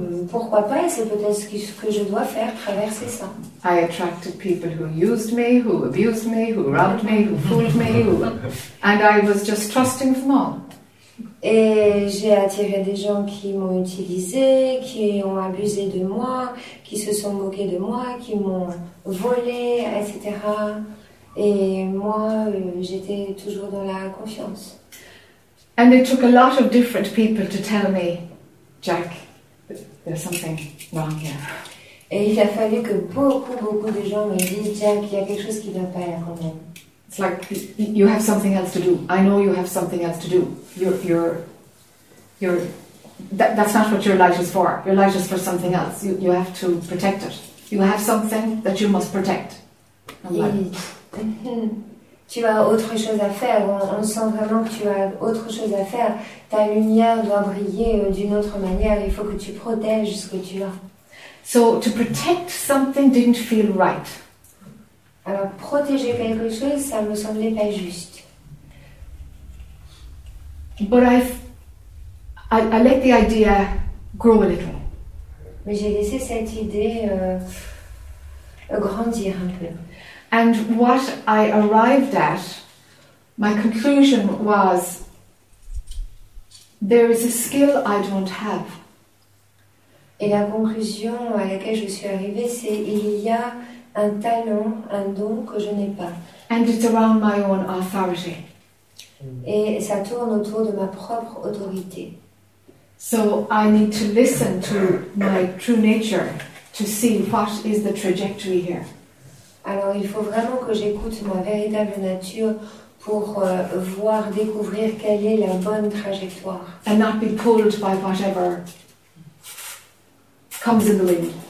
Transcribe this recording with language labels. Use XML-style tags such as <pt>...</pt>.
<fr>Pourquoi pas, c'est peut-être ce que je dois faire, traverser ça.</fr> <en>I attracted people who used me, who abused me, who robbed me, who fooled me, who... and I was just trusting them all.</en> <fr>Et j'ai attiré des gens qui m'ont utilisé, qui ont abusé de moi, qui se sont moqués de moi, qui m'ont volé, etc. Et moi, j'étais toujours dans la confiance.</fr> <en>And it took a lot of different people to tell me, Jack, there's something wrong here.</en> <fr>Et il a fallu que beaucoup, beaucoup de gens me disent, Jack, il y a quelque chose qui ne va pas là quand même.</fr> <en>It's like you have something else to do. I know you have something else to do. That's not what your light is for. Your light is for something else. You have to protect it. You have something that you must protect.</en> <fr>Tu as autre chose à faire. On sent vraiment que tu as autre chose à faire. Ta lumière doit briller d'une autre manière. Il faut que tu protèges ce que tu as.</fr> <en>So to protect something didn't feel right.</en> <fr>Alors, protéger quelque chose, ça me semblait pas juste.</fr> <en>But I let the idea grow a little.</en> <fr>Mais j'ai laissé cette idée grandir un peu.</fr> <en>And what I arrived at, my conclusion was, there is a skill I don't have.</en> <fr>Et la conclusion à laquelle je suis arrivée, c'est il y a un talent, un don que je n'ai pas.</fr> <en>And it's around my own authority.</en> <fr>Et ça tourne autour de ma propre autorité.</fr> <en>So I need to listen to my true nature to see what is the trajectory here.</en> <fr>Alors il faut vraiment que j'écoute ma véritable nature pour voir, découvrir quelle est la bonne trajectoire.</fr> <en>And not be pulled by whatever comes in the wind.</en>